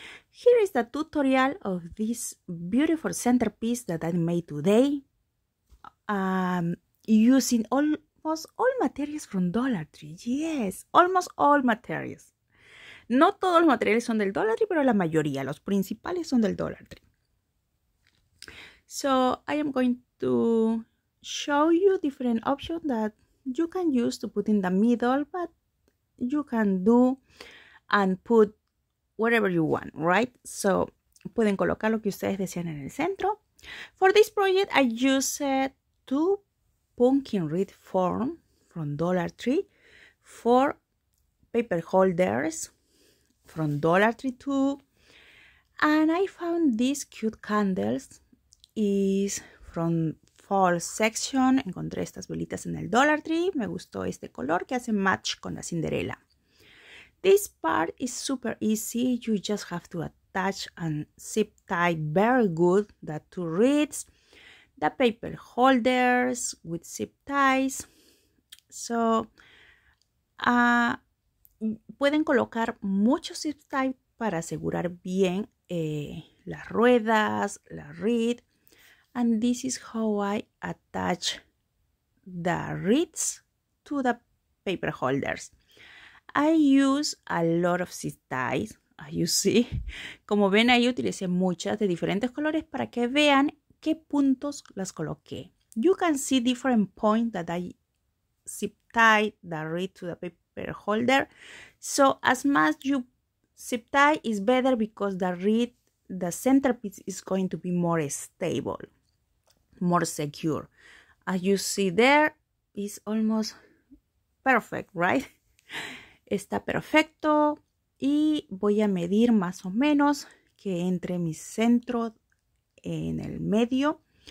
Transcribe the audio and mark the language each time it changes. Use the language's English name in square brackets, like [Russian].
[English] Here is the tutorial of this beautiful centerpiece that I made today, using almost all materials from Dollar Tree. Yes, almost all materials. [Spanish] No todos los materiales son del Dollar Tree, pero la mayoría, los principales son del Dollar Tree. [English] So, I am going to show you different options that you can use to put in the middle, but you can do and put whatever you want, right? [Spanish] So, pueden colocar lo que ustedes desean en el centro. [English] For this project, I used two pumpkin wreath forms from Dollar Tree, four paper holders from Dollar Tree too, and I found these cute candles. Is from fall section. [Spanish] Encontré estas velitas en el Dollar Tree. Me gustó este color que hace match con la Cinderella. [English] This part is super easy. You just have to attach and zip tie very good the two wreaths, the paper holders with zip ties. [Spanish] So, pueden colocar muchos zip ties para asegurar bien las ruedas, la wreath. [English] And this is how I attach the wreaths to the paper holders. I use a lot of zip ties, as you see. [Spanish] Como ven, ahí utilicé muchas de diferentes colores para que vean qué puntos las coloqué. [English] You can see different points that I zip tie the wreath to the paper holder. So as much you zip tie is better because the wreath, the centerpiece is going to be more stable. More secure. As you see there, it's almost perfect, right? [Spanish] Está perfecto y voy a medir más o menos que entre mi centro en el medio.